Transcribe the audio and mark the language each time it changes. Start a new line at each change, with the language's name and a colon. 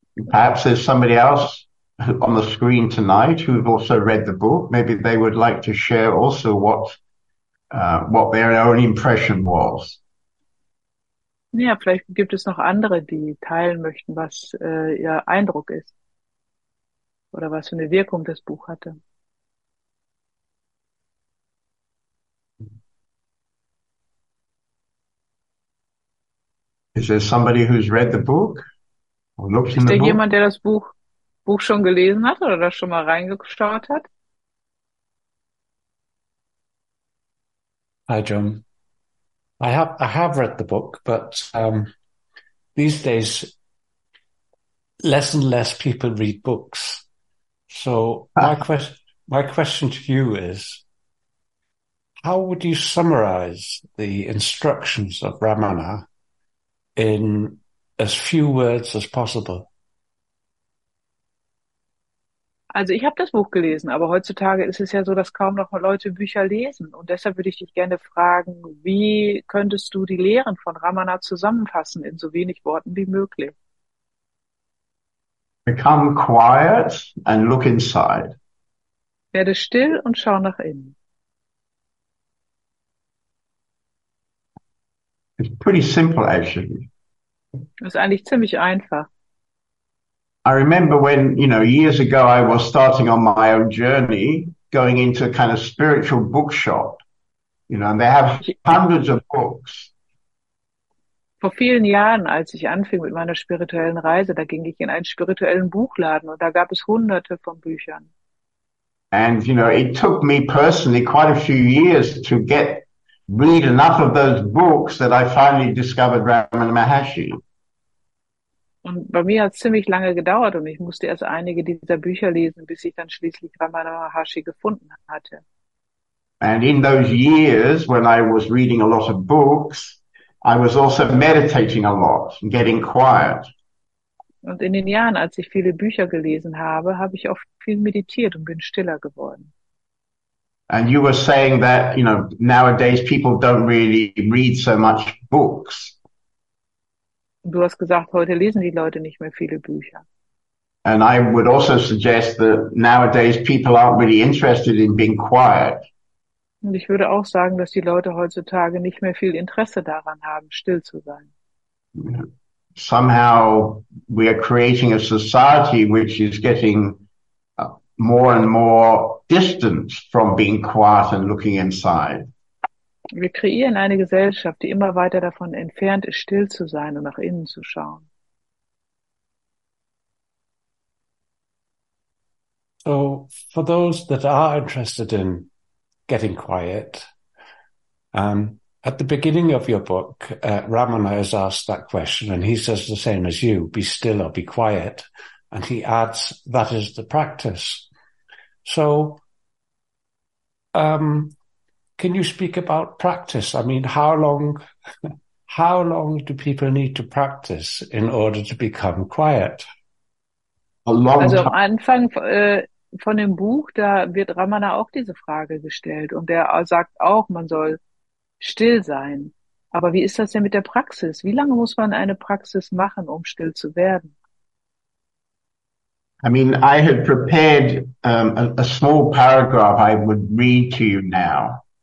English: perhaps there's somebody else on the screen tonight who've also read the book. Maybe they would like to share also what their own impression was.
German: Ja, vielleicht gibt es noch andere, die teilen möchten, was ihr Eindruck ist oder was für eine Wirkung das Buch hatte.
English: Is there somebody who's read the book?
German: Ist da jemand, der das Buch schon gelesen hat oder das schon mal reingeschaut hat?
English: Hi, John. I have read the book, but these days less and less people read books. So my question to you is, how would you summarize the instructions of Ramana in as few words as possible?
German: Also ich habe das Buch gelesen, aber heutzutage ist es ja so, dass kaum noch Leute Bücher lesen. Und deshalb würde ich dich gerne fragen, wie könntest du die Lehren von Ramana zusammenfassen in so wenig Worten wie möglich?
English: Become quiet and look inside.
German: Werde still und schau nach innen.
English: It's pretty simple, actually.
German: Das ist eigentlich ziemlich einfach.
English: I remember when, you know, years ago I was starting on my own journey going into a kind of spiritual bookshop, you know, and they have hundreds of books.
German: Vor vielen Jahren, als ich anfing mit meiner spirituellen Reise, da ging ich in einen spirituellen Buchladen und da gab es hunderte von Büchern.
English: And, you know, it took me personally quite a few years to get read enough of those books that I finally discovered Ramana Maharshi.
German: Und bei mir hat es ziemlich lange gedauert und ich musste erst einige dieser Bücher lesen, bis ich dann schließlich Ramana Maharshi gefunden hatte.
English: And in those years, when I was reading a lot of books, I was also meditating a lot and getting quiet.
German: Und in den Jahren, als ich viele Bücher gelesen habe, habe ich oft viel meditiert und bin stiller geworden.
English: And you were saying that, you know, nowadays people don't really read so much books.
German: Du hast gesagt, heute lesen die Leute nicht mehr viele Bücher.
English: And I would also suggest that nowadays people aren't really interested in being quiet.
German: Und ich würde auch sagen, dass die Leute heutzutage nicht mehr viel Interesse daran haben, still zu sein.
English: Somehow we are creating a society which is getting more and more distant from being quiet and looking inside.
German: Wir kreieren eine Gesellschaft, die immer weiter davon entfernt ist, still zu sein und nach innen zu schauen.
English: So, for those that are interested in getting quiet, at the beginning of your book, Ramana is asked that question, and he says the same as you, be still or be quiet, and he adds, that is the practice. So, can you speak about practice? I mean, how long do people need to practice in order to become quiet? A long
German: Also, Anfang, von dem Buch, da wird Ramana auch diese Frage gestellt und er sagt auch, man soll still sein. Aber wie ist das denn mit der Praxis? Wie lange muss man eine Praxis machen, um still zu werden?
English: I mean, I had prepared a small paragraph I would read to you now.